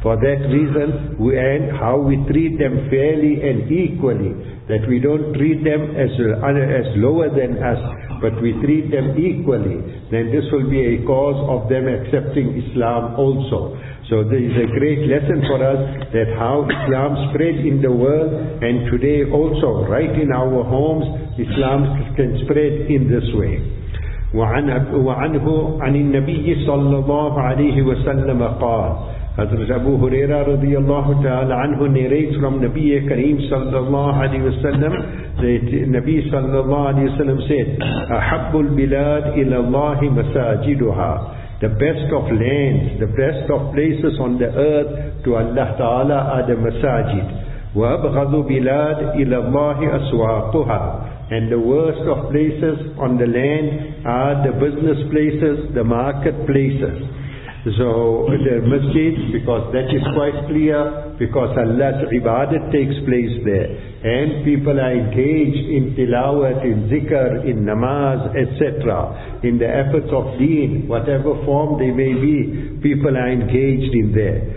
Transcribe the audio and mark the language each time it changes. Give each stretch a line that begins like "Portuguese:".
English: For that reason, and how we treat them fairly and equally, that we don't treat them as lower than us, but we treat them equally, then this will be a cause of them accepting Islam also. So this is a great lesson for us, that how Islam spread in the world, and today also, right in our homes, Islam can spread in this way.
Arabic: وعنه عن النبي صلى الله عليه وسلم قال.
English: Hazrat Abu Huraira radiallahu ta'ala anhu narrates from Nabi Kareem sallallahu alayhi wa sallam that Nabi sallallahu alayhi wa sallam said,
Arabic: أحب البلاد إلى الله مساجدها.
English: The best of lands, the best of places on the earth to Allah Ta'ala are the masajid.
Arabic: وأبغض بلاد إلى الله أسواقها.
English: And the worst of places on the land are the business places, the market places. So the masjid, because that is quite clear, because Allah's ibadat takes place there, and people are engaged in tilawat, in zikr, in namaz, etc., in the efforts of deen, whatever form they may be, people are engaged in there.